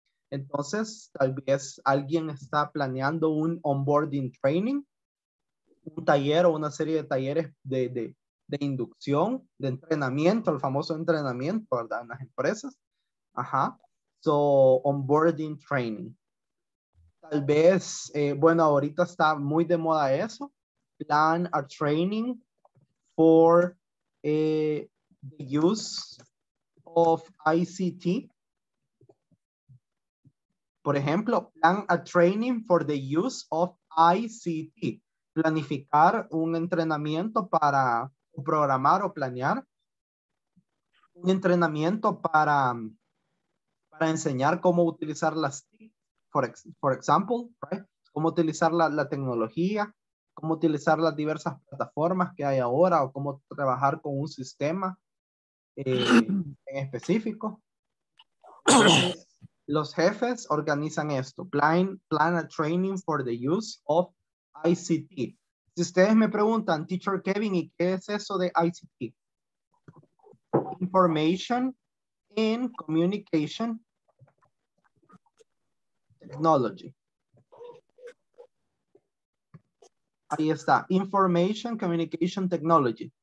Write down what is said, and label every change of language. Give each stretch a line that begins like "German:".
Spanish: Entonces, tal vez alguien está planeando un
English: onboarding training,
Spanish: un taller o una serie de talleres de inducción, de entrenamiento, el famoso entrenamiento, ¿verdad? En las empresas. Ajá.
English: So, onboarding training.
Spanish: Tal vez, bueno, ahorita está muy de moda eso.
English: Plan a training for the use of ICT.
Spanish: Por ejemplo,
English: plan a training for the use of ICT.
Spanish: Planificar un entrenamiento para programar o planear. Un entrenamiento para enseñar cómo utilizar las TIC,
English: for example, right?
Spanish: Cómo utilizar la tecnología, cómo utilizar las diversas plataformas que hay ahora o cómo trabajar con un sistema en específico. Los jefes organizan esto. Plan a training for the use of ICT. Si ustedes me preguntan, Teacher Kevin, ¿y qué es eso de ICT?
English: Information in Communication Technology.
Spanish: Ahí está.
English: Information Communication Technology.